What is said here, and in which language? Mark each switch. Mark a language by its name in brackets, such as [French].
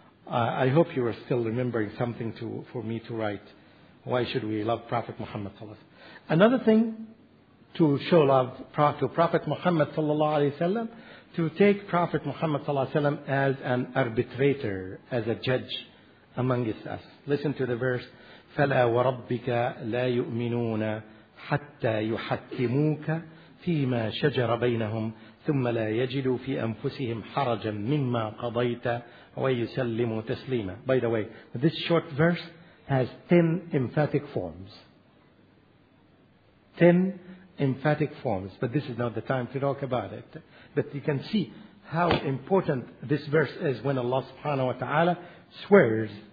[English] I hope you are still remembering something for me to write. Why should we love Prophet Muhammad sallallahu alaihi wasallam? Another thing to show love to Prophet Muhammad sallallahu alaihi wasallam, to take Prophet Muhammad sallallahu alaihi wasallam as an arbitrator, as a judge amongst us. [Arabic] Listen to the verse: فَلَا وَرَبِّكَ لَا يُؤْمِنُونَ حَتَّى يُحَكِّمُوكَ فِيمَا شَجَرَ بَيْنَهُمْ ثُمَّ لَا يَجِدُوا فِي أَنفُسِهِمْ حَرَجًا مِمَّا قَضَيْتَ وَيُسَلِّمُوا تَسْلِيمًا. [English] By the way, this short verse has 10 emphatic forms. 10 emphatic forms. But this is not the time to talk about it. But you can see how important this verse is when Allah subhanahu wa ta'ala swears.